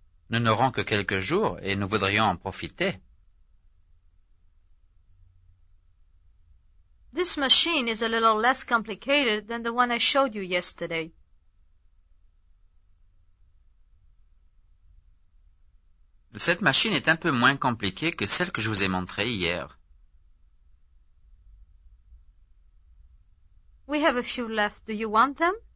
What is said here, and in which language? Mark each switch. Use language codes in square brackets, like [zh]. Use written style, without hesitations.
[fr] Nous n'aurons que quelques jours et nous voudrions en profiter. [en] This machine is a little less complicated than the one I showed you yesterday. [fr] Cette machine est un peu moins compliquée que celle que je vous ai montrée hier. [en] We have a few left. Do you want them?